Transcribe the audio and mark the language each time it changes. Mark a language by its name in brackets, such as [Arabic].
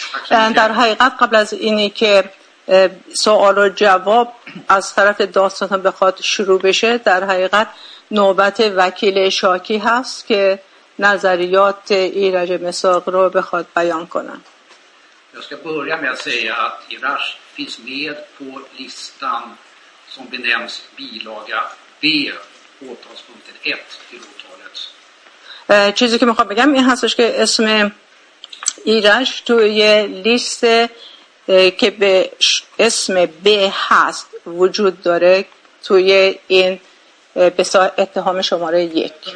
[Persian] در حقیقت قبل از اینی که سوال و جواب از طرف داستان بخواد شروع بشه، در حقیقت نوبت وکیل شاکی هست که نظریات ایرج مساق رو بخواد بیان کنن. [Swedish] Jag ska börja med att säga att Irash finns med på listan som benämns bilaga B, åtalspunkten 1 till åtalet. [Persian] چیزی که میخواد بگم این هستش که اسم ایرش توی لیست که به اسم ب هست وجود داره توی این به صورت اتهام شماره 1.